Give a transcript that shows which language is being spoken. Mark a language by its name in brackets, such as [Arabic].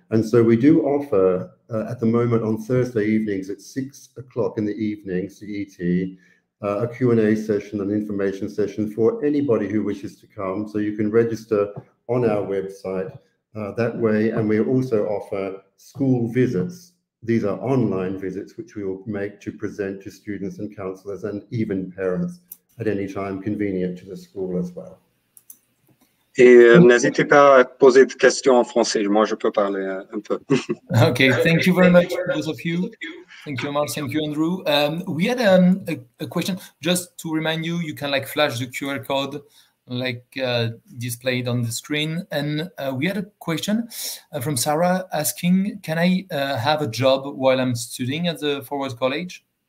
[English] And so we do offer, at the moment, on Thursday evenings at 6 o'clock in the evening, CET, a Q&A session, an information session for anybody who wishes to come. So you can register on our website that way, and we also offer school visits. These are online visits which we will make to present to students and counsellors and even parents at any time convenient to the school as well. [French] Et n'hésitez pas à poser des questions en français. Moi, je peux parler un peu. [English] Okay, thank you very much, both of you. Thank you, Omar. Thank you, Andrew. We had a question. Just to remind you, you can like flash the QR code like displayed on the screen. And we had a question from Sarah asking, can I have a job while I'm studying at the Forward College?